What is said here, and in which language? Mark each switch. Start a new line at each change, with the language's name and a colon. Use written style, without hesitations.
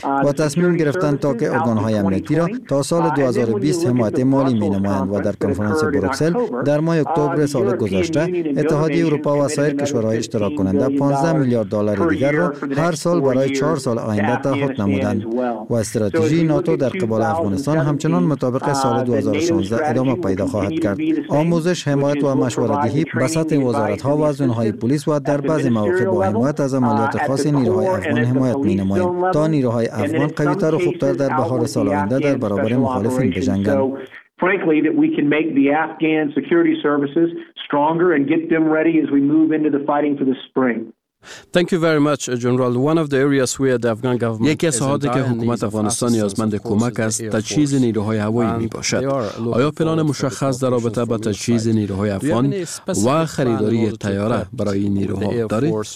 Persian: و تصمیم گرفتند تا که ارگانهای امنیتی را تا سال 2020 حمایت مالی می نمایند و در کنفرانس بروکسل در ماه اکتبر سال گذشته اتحادیه اروپا و سایر کشورهای اشتراک کننده 15 میلیارد دلار دیگر را هر سال برای 4 سال آینده تعهد نمودند و استراتژی ناتو در قبال افغانستان همچنان مطابق سال 2016 ادامه پیدا خواهد کرد. آموزش، حمایت و مشوره‌دهی به سطح وزارت‌ها و زنهای پلیس و در بعض مواقع با حمایت از عملیات خاص نیروهای افغان حمایت می نماید تا نیروهای افغان قوی‌تر و خوب‌تر در بهار سال آینده در برابر مخالفین بجنگند.
English: Frankly, that we can make the Afghan security services stronger and get them ready as we move into the fighting for the spring. Thank you very much, General. One of the areas where the Afghan government is in need of assistance is the Air Force.
Persian: تجهیز نیروهای هوایی می باشد. آیا پلان مشخص در رابطه با تجهیز نیروهای افغان و خریداری طیاره برای نیروها دارید؟